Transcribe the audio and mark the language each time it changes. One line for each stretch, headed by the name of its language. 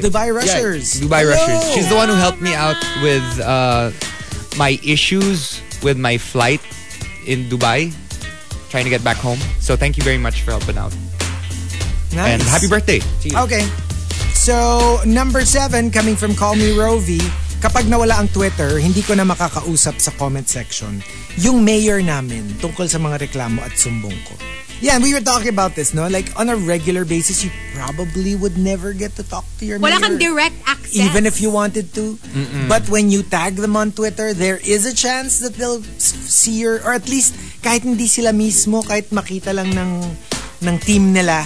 English: Dubai Rushers. Yeah, Dubai Rushers. She's the one who helped me out with my issues with my flight in Dubai, trying to get back home. So thank you very much for helping out. Nice. And happy birthday to you. Okay. So number 7 coming from Call Me Rovi.
Filipino: Kapag nawala ang Twitter, hindi ko na makakausap sa comment section yung mayor namin tungkol sa mga reklamo at sumbong ko.
English: Yeah, we were talking about this, no? Like, on a regular basis, you probably would never get to talk to your
Filipino: wala Wala kang direct access.
English: Even if you wanted to. Mm-mm. But when you tag them on Twitter, there is a chance that they'll see your... Or at least,
Filipino: kahit hindi sila mismo, kahit makita lang ng team nila.